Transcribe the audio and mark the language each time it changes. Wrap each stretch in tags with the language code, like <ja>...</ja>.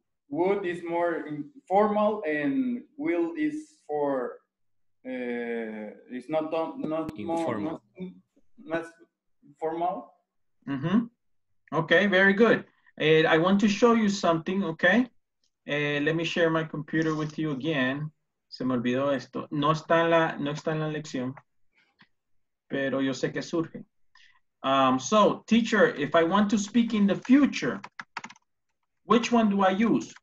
<en>Would is more formal and will is for, it's not informal. More, not less formal. Mm-hmm. Okay, very good. I want to show you something, okay? Let me share my computer with you again.</en> <es>Se me olvidó esto. No está en la, no está en la lección, pero yo sé que surge.</es> <en>So, teacher, if I want to speak in the future, which one do I use?</en>